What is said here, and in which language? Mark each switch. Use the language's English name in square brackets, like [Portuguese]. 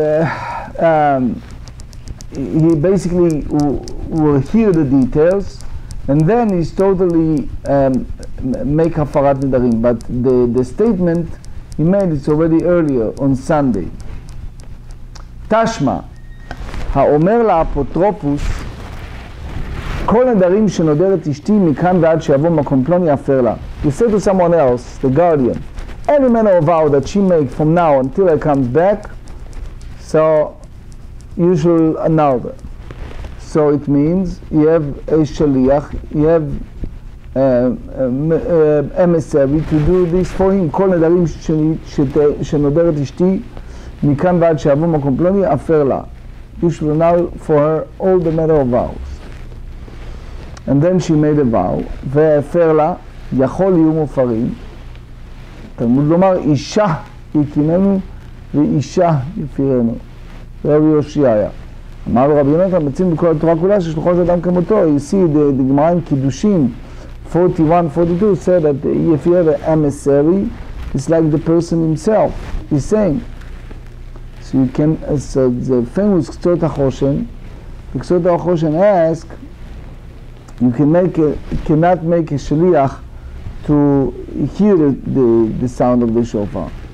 [English] So he basically will hear the details and then he's totally make Aparat Nedarim. But the statement he made is already earlier on Sunday. Tashma. [Hebrew] האומר לאפוטרופוס, כל נדרים שנודרת אשתי מכאן ועד שיבוא מקום פלוני אפר לה. [English] You say to someone else, the guardian, any manner of vow that she makes from now until I come back, so you shall annul them. So it means you have a shaliach, you have an emissary to do this for him. [Hebrew] כל נדרים שנודרת אשתי מכאן ועד שיבוא מקום פלוני אפר לה. [English] You should annul for her all the matter of vows. And then she made a vow. [Hebrew] והפר לה, יכול יהיו מופרים. תלמוד לומר, אישה יקימנו ואישה יפירנו. רבי יושיעיה. אמר לו רבי יונתן, מצאים בכל התורה כולה ששלוחו של אדם כמותו. [English] You see the Gemara in Kiddushin 41-42 said that if you have an emissary, it's like the person himself. He's saying, so you can, so the famous Ksot HaChoshen, the Ksot HaChoshen ask, you can make cannot make a shaliach to hear the sound of the shofar.